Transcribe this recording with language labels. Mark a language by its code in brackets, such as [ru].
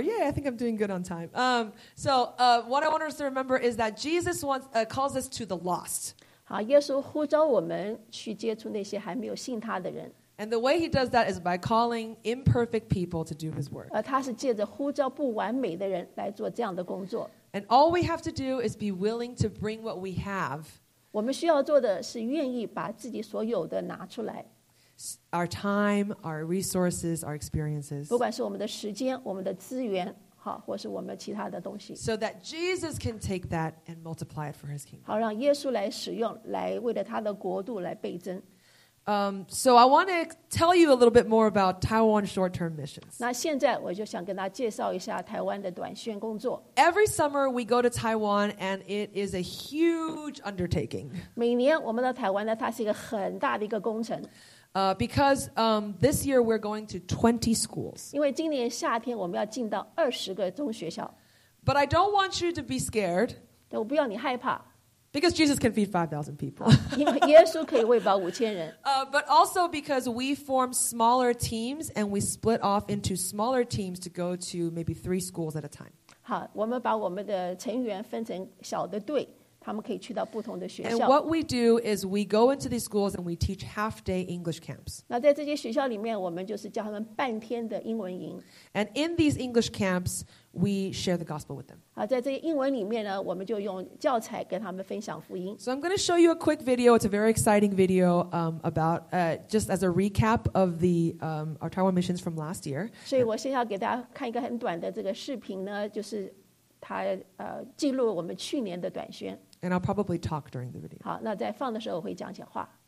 [en] Yeah, I think I'm doing good on time. What I want us to remember is that Jesus calls us to the lost. [zh] 好，耶稣呼召我们去接触那些还没有信他的人。 [en] And the way he does that is by calling imperfect people to do his work. [zh] 他是借着呼召不完美的人来做这样的工作。 [en] And all we have to do is be willing to bring what we have. [zh] 我们需要做的是愿意把自己所有的拿出来 [en] ，our time, our resources, our experiences， [zh] 不管是我们的时间、我们的资源，好，或是我们其他的东西 [en] ，so that Jesus can take that and multiply it for His kingdom， [zh] 好，让耶稣来使用，来为了他的国度来倍增。 [en] So I want to tell you a little bit more about Taiwan short-term missions. [zh] 那现在我就想跟大家介绍一下台湾的短宣工作。 [en] Every summer we go to Taiwan, and it is a huge undertaking. [zh] 每年我们到台湾呢，它是一个很大的一个工程。 [en] Because this year we're going to 20 schools. [zh] 因为今年夏天我们要进到20个中学校。 [en] But I don't want you to be scared. [zh] 但我不要你害怕。 [en] Because Jesus can feed 5,000 people. [zh] 因为耶稣可以喂饱五千人。 [en] But also because we form smaller teams and we split off into smaller teams to go to maybe 3 schools at a time. [zh] 好，我们把我们的成员分成小的队，他们可以去到不同的学校。 [en] And what we do is we go into these schools and we teach half-day English camps. [zh] 那在这些学校里面，我们就是教他们半天的英文营。 [en] And in these English camps, we share the gospel with them. [zh] 啊，在这些英文里面呢，我们就用教材跟他们分享福音。 [en] So I'm going to show you a quick video. It's a very exciting video about just as a recap of the our Taiwan missions from last year. [zh] 所以我现在要给大家看一个很短的这个视频呢，就是。他记录我们去年的短宣。 [en] And I'll probably talk during the video. [zh] 好，那在放的时候我会讲讲话。